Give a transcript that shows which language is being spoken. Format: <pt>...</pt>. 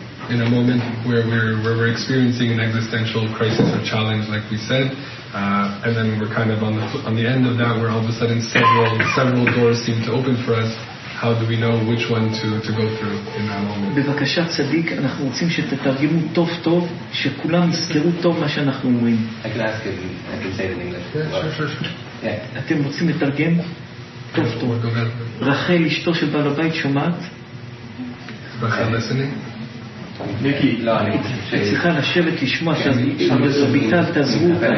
<en>In a moment where we're experiencing an existential crisis or challenge, like we said, and then we're kind of on the end of that, where all of a sudden several doors seem to open for us, how do we know which one to go through in that moment?</en> <he>בבקשה צדיק, אנחנו רוצים שתתרגמו טוב טוב, שכולם יזכרו טוב מה שאנחנו אומרים.</he> <en>I can say it in English. Sure.</en> <he>אתם רוצים לתרגם טוב טוב? רחל אשתו של בעל הבית שומעת?</he> <en>רחל listening? Nikki, Lani, she's going to have a shiver to listen to the Bible.</en>